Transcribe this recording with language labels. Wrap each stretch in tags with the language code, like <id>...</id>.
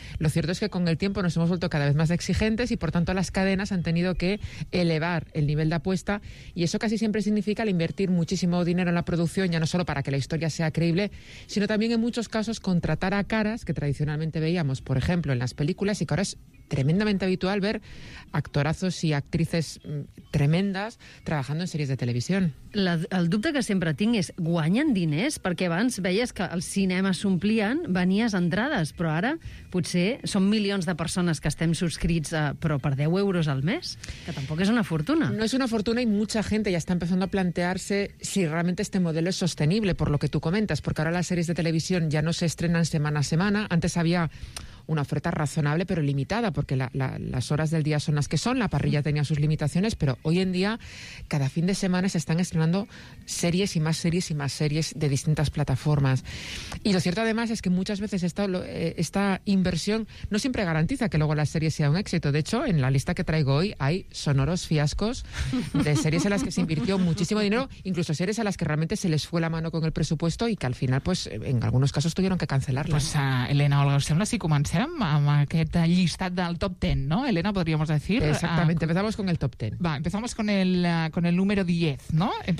<es>lo cierto es que con el tiempo nos hemos vuelto cada vez más exigentes y por tanto las cadenas han tenido que elevar el nivel de apuesta y eso casi siempre significa el invertir muchísimo dinero en la producción, ya no solo para que la historia sea creíble, sino también en muchos casos contratar a caras que tradicionalmente veíamos, por ejemplo, en las películas y que ahora es tremendamente habitual ver actorazos</es> <ca>i actrices tremendes</ca> <es>trabajando en series de televisión.</es> <ca>El dubte que sempre tinc és, guanyen diners? Perquè abans veies que els cinemes s'omplien, venies entrades, però ara potser són milions de persones que estem subscrits però per 10 euros al mes, que tampoc és una fortuna. No és una fortuna</ca> <es>i mucha gente ya está empezando a plantearse si realmente este modelo es sostenible, por lo que tú comentas, porque ahora las series de televisión ya no se estrenan semana a semana. Antes había una oferta razonable pero limitada porque las horas del día son las que son, la parrilla tenía sus limitaciones, pero hoy en día cada fin de semana se están estrenando series y más series y más series de distintas plataformas. Y lo cierto además es que muchas veces esta inversión no siempre garantiza que luego la serie sea un éxito. De hecho, en la lista que traigo hoy hay sonoros fiascos de series en las que se invirtió muchísimo dinero, incluso series a las que realmente se les fue la mano con el presupuesto y que al final, pues, en algunos casos tuvieron que cancelarlas.</es> <ca>Pues Elena, Olga, ¿os sembla si comencem amb aquest llistat del top 10, no?</ca> <es>Elena, podríamos decir. Exactamente, empezamos con el top 10. Va, empezamos con el número 10, ¿no?</es>